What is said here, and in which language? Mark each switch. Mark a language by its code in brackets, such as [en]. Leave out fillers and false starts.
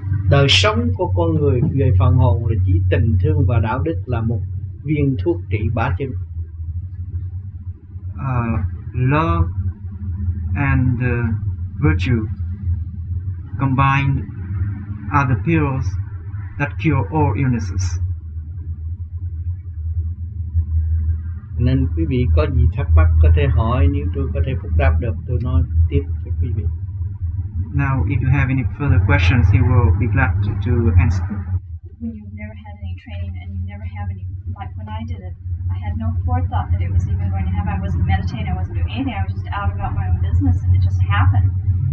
[vi] Đời sống của con người về phần hồn là chỉ tình thương và đạo đức là một viên thuốc trị bá chứng. [en] Love and virtue combined are the pills that cure all illnesses. [vi] Nên quý vị có gì thắc mắc có thể hỏi, nếu tôi có thể phúc đáp được tôi nói tiếp cho quý vị. [en] Now, if you have any further questions, he will be glad to answer them. When you've never had any training and you never have any, like when I did it, I had no forethought that it was even going to happen. I wasn't meditating, I wasn't doing anything, I was just out about my own business and it just happened.